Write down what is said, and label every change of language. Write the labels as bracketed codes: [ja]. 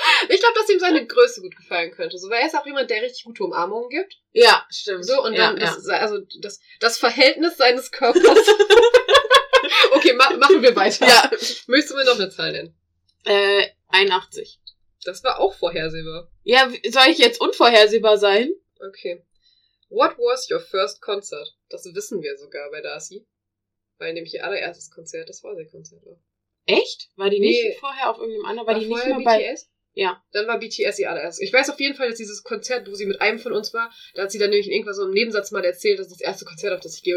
[de] Ich glaube, dass ihm seine Größe gut gefallen könnte. So, weil er ist auch jemand, der richtig gute Umarmungen gibt. Ja, stimmt. So, und dann das Verhältnis seines Körpers. Okay, machen wir weiter. Ja. Möchtest du mir noch eine Zahl nennen? 81. Das war auch vorhersehbar. Ja, soll ich jetzt unvorhersehbar sein? Okay. [en] What was your first concert? [de] Das wissen wir sogar bei Darcy. Weil nämlich ihr allererstes Konzert das Vorsehkonzert war. Echt? War die nicht vorher auf irgendeinem anderen? War die vorher nicht mal bei BTS? Ja. Dann war BTS ihr allererstes. Ich weiß auf jeden Fall, dass dieses Konzert, wo sie mit einem von uns war, da hat sie dann nämlich irgendwas so im Nebensatz mal erzählt, das ist das erste Konzert, auf das ich gehe.